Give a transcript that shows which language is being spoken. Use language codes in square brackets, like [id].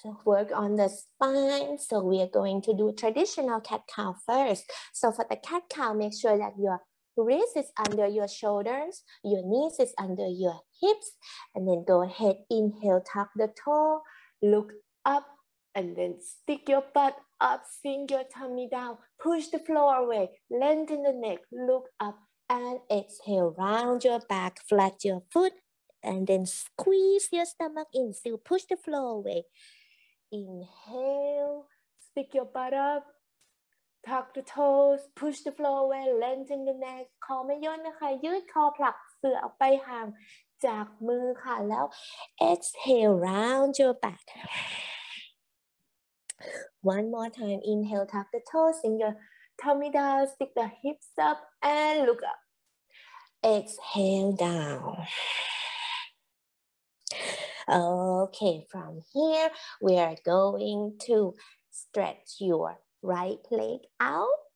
[en] work on the spine so we are going to do traditional cacao first so for the cacao make sure that your wrist is under your shoulders your knees is under your hips and then go ahead inhale tuck the toe look upAnd then stick your butt up, sink your tummy down, push the floor away, lengthen the neck, look up, and exhale, round your back, flat your foot, and then squeeze your stomach in, still push the floor away. Inhale, stick your butt up, tuck the toes, push the floor away, lengthen the neck, [th] คอไม่ย่นนะคะ ยืดคอผลักเสือออกไปห่างจากมือค่ะ แล้ว [en] exhale, round your back. One more time. Inhale, tuck the toes, sink your tummy down, stick the hips up, and look up. Exhale down. Okay, from here, we are going to stretch your right leg out.